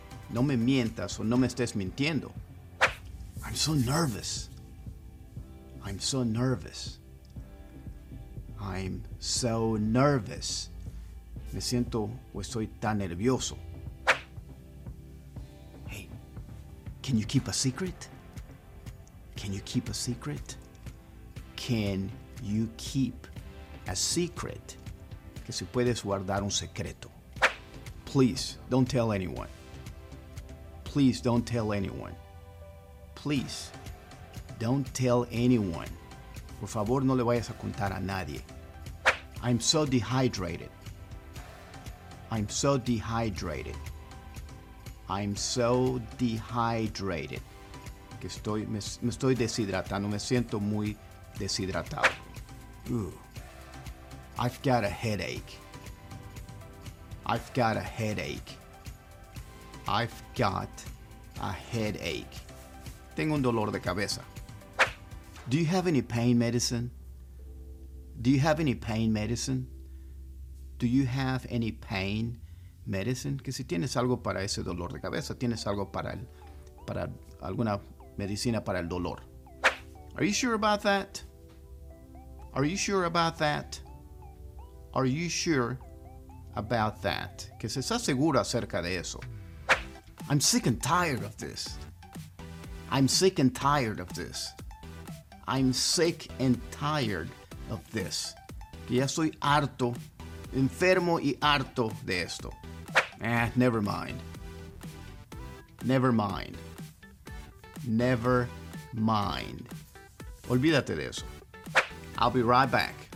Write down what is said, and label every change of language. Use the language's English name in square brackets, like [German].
[Spanish] No me mientas o no me estés mintiendo. [English] I'm so nervous. I'm so nervous. I'm so nervous. [Spanish] Me siento o estoy tan nervioso. [English] Hey, can you keep a secret? Can you keep a secret? Can you keep a secret? [Spanish] Que si puedes guardar un secreto. [English] Please, don't tell anyone. Please don't tell anyone. Please don't tell anyone. [Spanish] Por favor, no le vayas a contar a nadie. [English] I'm so dehydrated. I'm so dehydrated. I'm so dehydrated. [Spanish] Que estoy me estoy deshidratando, me siento muy deshidratado. [English] I've got a headache. I've got a headache. I've got a headache. [Spanish] Tengo un dolor de cabeza. [English] Do you have any pain medicine? Do you have any pain medicine? Do you have any pain medicine? [Spanish] Que si tienes algo para ese dolor de cabeza, tienes algo para el, para alguna medicina para el dolor. [English] Are you sure about that? Are you sure about that? Are you sure about that? [Spanish] Que se está seguro acerca de eso. [English] I'm sick and tired of this. I'm sick and tired of this. I'm sick and tired of this. [Spanish] Que ya estoy harto, enfermo y harto de esto. [English] Never mind. Never mind. Never mind. [Spanish] Olvídate de eso. [English] I'll be right back.